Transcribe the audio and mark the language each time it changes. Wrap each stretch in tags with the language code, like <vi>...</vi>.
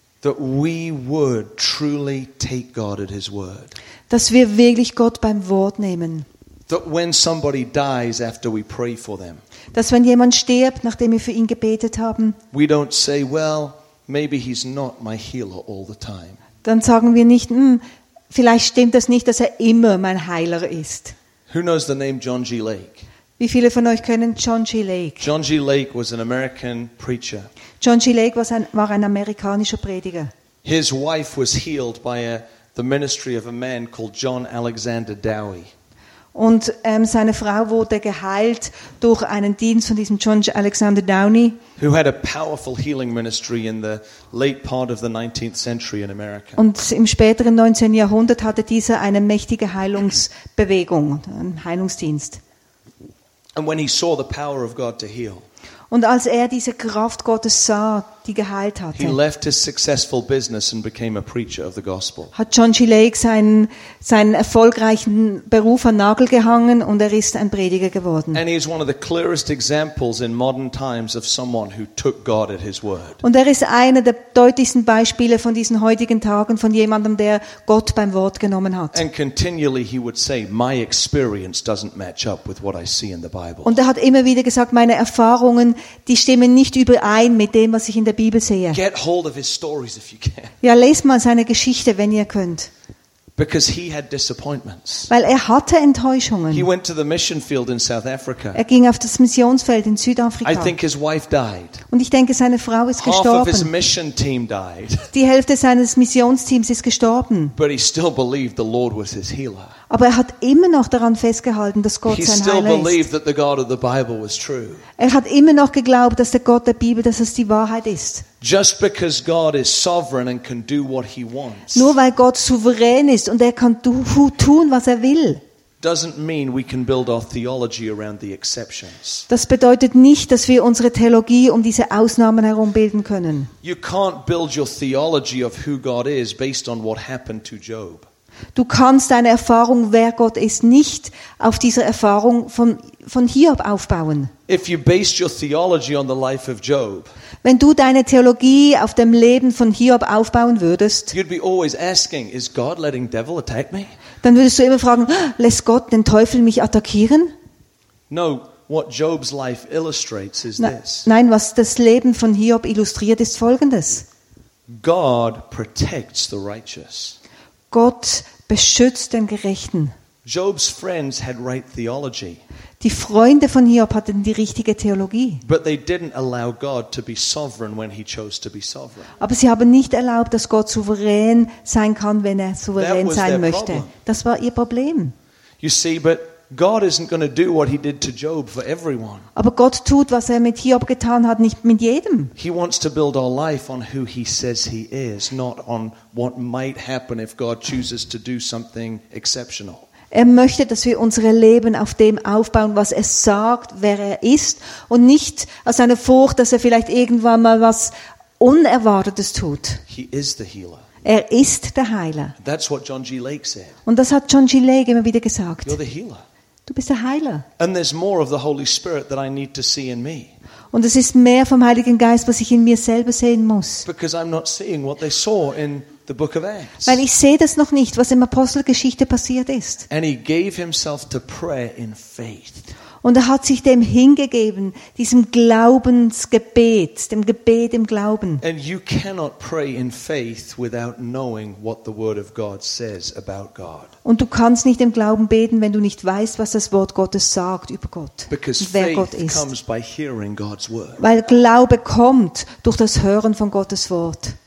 <en>That we would truly take God at His word.</en> <de>Dass wir wirklich Gott beim Wort nehmen.</de> <en>That when somebody dies after we pray for them.</en> <de>Dass wenn jemand stirbt, nachdem wir für ihn gebetet haben.</de> <en>We don't say, well, maybe he's not my healer all the time.</en> <de>Dann sagen wir nicht, vielleicht stimmt das nicht, dass er immer mein Heiler ist.</de> <en>Who knows the name John G. Lake?</en> <de>Wie viele von euch kennen John G. Lake?</de> <en>John G. Lake was an American preacher.</en> <de>John G. Lake war ein amerikanischer Prediger.</de> <en>His wife was healed by the ministry of a man called John Alexander Dowie.</en> <de>Und seine Frau wurde geheilt durch einen Dienst von diesem John Alexander Downey.</de> <en>Who had a powerful healing ministry in the late part of the 19th century in America.</en> <de>Und im späteren 19. Jahrhundert hatte dieser eine mächtige Heilungsbewegung, einen Heilungsdienst.</de> <en>And when he saw the power of God to heal.</en> <de>Und als er diese Kraft Gottes sah, die geheilt hatte.</de> <en>He left his successful business and became a preacher of the gospel.</en> <de>Hat John G. Lake seinen erfolgreichen Beruf an Nagel gehangen und er ist ein Prediger geworden.</de> <en>And he is one of the clearest examples in modern times of someone who took God at his word.</en> <de>Und er ist einer der deutlichsten Beispiele von diesen heutigen Tagen von jemandem, der Gott beim Wort genommen hat.</de> <en>And continually he would say, my experience doesn't match up with what I see in the Bible.</en> <de>Und er hat immer wieder gesagt, meine Erfahrungen, die stimmen nicht überein mit dem, was ich in der Bibel sehe.</de> <en>Get hold of his stories if you can.</en> <de>Ja, lest mal seine Geschichte, wenn ihr könnt.</de> <en>Because he had disappointments.</en> <de>Weil er hatte Enttäuschungen.</de> <en>He went to the mission field in South Africa.</en> <de>Er ging auf das Missionsfeld in Südafrika.</de> <en>I think his wife died.</en> <de>Und ich denke, seine Frau ist gestorben.</de> <en>Half of his mission team died.</en> <de>Die Hälfte seines Missionsteams ist gestorben.</de> <en>But he still believed the Lord was his healer.</en> <de>Aber er hat immer noch daran festgehalten, dass Gott sein Heiler ist.</de> <en>He still believed that the God of the Bible was true.</en> <de>Er hat immer noch geglaubt, dass der Gott der Bibel, dass es die Wahrheit ist.</de> <en>Just because God is sovereign and can do what he wants.</en> <de>Nur weil Gott souverän ist und er kann tun, was er will.</de> <en>Doesn't mean we can build our theology around the exceptions.</en> <de>Das bedeutet nicht, dass wir unsere Theologie um diese Ausnahmen herum bilden können.</de> <en>You can't build your theology of who God is based on what happened to Job.</en> <de>Du kannst deine Erfahrung, wer Gott ist, nicht auf dieser Erfahrung von Hiob aufbauen.</de> <en>If you based your theology on the life of Job,</en> <de>wenn du deine Theologie auf dem Leben von Hiob aufbauen würdest,</de> <en>you'd be always asking, is God letting devil attack me?</en> <de>Dann würdest du immer fragen, lässt Gott den Teufel mich attackieren?</de> <en>No, what Job's life illustrates is this.</en> <de>Nein, was das Leben von Hiob illustriert, ist Folgendes.</de> <en>God protects the righteous.</en> <de>Gott beschützt den Gerechten.</de> <en>Job's friends had right theology.</en> <de>Die Freunde von Hiob hatten die richtige Theologie.</de> <en>But they didn't allow God to be sovereign when he chose to be sovereign.</en> <de>Aber sie haben nicht erlaubt, dass Gott souverän sein kann, wenn er souverän sein möchte. Das war ihr Problem.</de> <en>You see, but God isn't going to do what he did to Job for everyone.</en> <de>Aber Gott tut, was er mit Hiob getan hat, nicht mit jedem.</de> <en>He wants to build our life on who he says he is, not on what might happen if God chooses to do something exceptional.</en> <de>Er möchte, dass wir unsere Leben auf dem aufbauen, was er sagt, wer er ist, und nicht aus einer Furcht, dass er vielleicht irgendwann mal was Unerwartetes tut.</de> <en>He is the healer.</en> <de>Er ist der Heiler.</de> <en>That's what John G. Lake said.</en> <de>Und das hat John G. Lake immer wieder gesagt.</de> <en>You're the healer.</en> <de>Du bist der Heiler.</de> <en>And there's more of the Holy Spirit that I need to see in me.</en> <de>Und es ist mehr vom Heiligen Geist, was ich in mir selber sehen muss.</de> <en>Because I'm not seeing what they saw in the book of Acts.</en> <de>Weil ich sehe das noch nicht, was im Apostelgeschichte passiert ist.</de> <en>And he gave himself to prayer in faith.</en> <de>Und er hat sich dem hingegeben, diesem Glaubensgebet, dem Gebet im Glauben.</de> <en>And you cannot pray in faith without knowing what the word of God says about God.</en> <de>Und du kannst nicht im Glauben beten, wenn du nicht weißt, was das Wort Gottes sagt über Gott,</de> <en>Because</en> <de>wer</de> <en>faith</en> <de>Gott ist.</de> <en>Comes by hearing God's word.</en> <de>Weil Glaube kommt durch das Hören von Gottes Wort.</de>